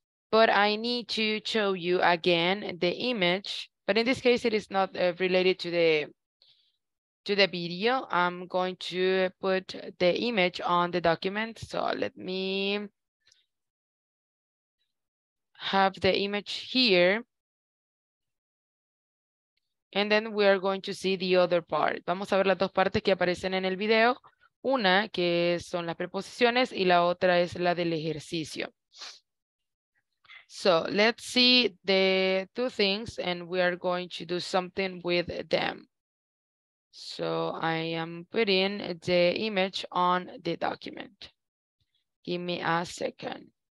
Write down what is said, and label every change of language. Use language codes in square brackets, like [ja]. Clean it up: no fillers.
[en] But I need to show you again the image, but in this case, it is not related to the video. I'm going to put the image on the document. So let me have the image here. And then we are going to see the other part. [es] Vamos a ver las dos partes que aparecen en el video. Una que son las preposiciones y la otra es la del ejercicio. [en] So let's see the two things and we are going to do something with them. So I am putting the image on the document. Give me a second.